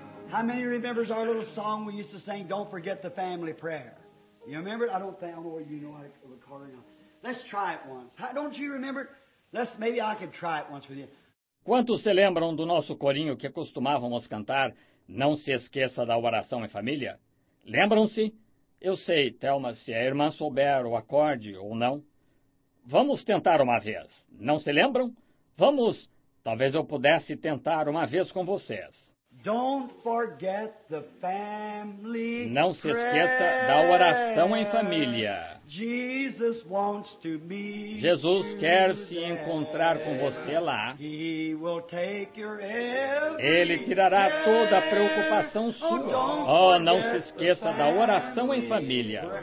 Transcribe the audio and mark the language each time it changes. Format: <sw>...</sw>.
<en>How many remembers our little song we used to sing, Don't Forget the Family Prayer? You remember it? I don't know whether you know how to record it. Let's try it once. Don't you remember it? Maybe I can try it once with you.</en> <pt>Quantos se lembram do nosso corinho que costumávamos cantar, Não se esqueça da oração em família? Lembram-se? Eu sei, Thelma, se a irmã souber o acorde ou não. Vamos tentar uma vez. Não se lembram? Vamos. Talvez eu pudesse tentar uma vez com vocês.</pt> <en>Don't forget the family prayer.</en> <pt>Não se esqueça da oração em família.</pt> <en>Jesus wants to meet.</en> <pt>Jesus quer se encontrar com você lá.</pt> <en>He will take your every.</en> <pt>Ele tirará toda a preocupação sua. Oh, não se esqueça da oração em família.</pt>